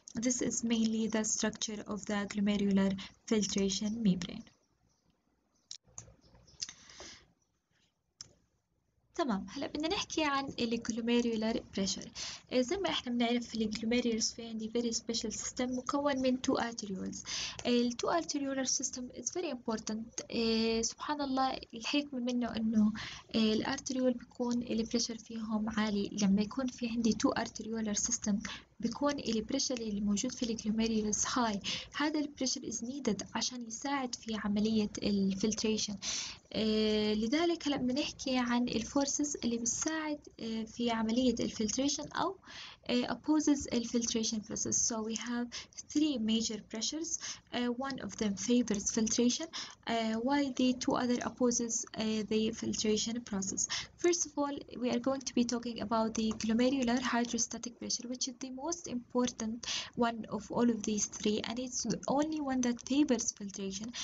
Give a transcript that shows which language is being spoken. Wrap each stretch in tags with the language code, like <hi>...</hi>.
<en>This is mainly the structure of the glomerular filtration membrane.</en> <ar>تمام، هلأ بدنا نحكي عن الجلوميرولار بريشر. زي ما احنا بنعرف في الجلوميرولز في عندي</ar> <en>very special system</en> <ar>مكون من</ar> <en>two arterioles. ال two arterioles system is very important.</en> <ar>سبحان الله الحكمة منه انه ال arteriole بيكون ال pressure فيهم عالي. لما يكون في عندي two arterioles system بيكون ال pressure اللي موجود في الجلوميرولز high. هذا ال</ar> <en>pressure is needed</en> <ar>عشان يساعد في عملية الفلتريشن. لذلك هلأ بدنا نحكي عن الفورسز اللي بتساعد في عملية الفلتريشن أو opposes الفلتريشن process.</ar> <en>So we have three major pressures. One of them favors filtration while the two other opposes the filtration process. First of all we are going to be talking about the glomerular hydrostatic pressure which is the most important one of all of these three and it's the only one that favors filtration.</en>